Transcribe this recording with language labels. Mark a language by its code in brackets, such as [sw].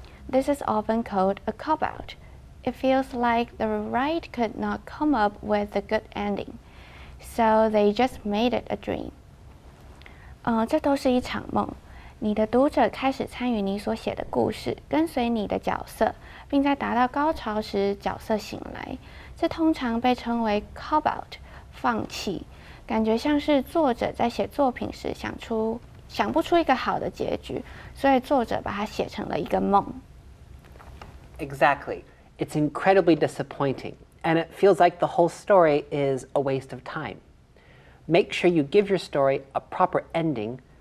[en] This is often called a cop-out. It feels like the writer could not come up with a good ending, so they just made it a dream. [zh] 这都是一场梦。你的读者开始参与你所写的故事，跟随你的角色，并在达到高潮时角色醒来。这通常被称为 cop out， 放弃，感觉像是作者在写作品时想不出一个好的结局，所以作者把它写成了一个梦。 [en] Exactly, it's incredibly disappointing, and it feels like the whole story is a waste of time. Make sure you give your story a proper ending.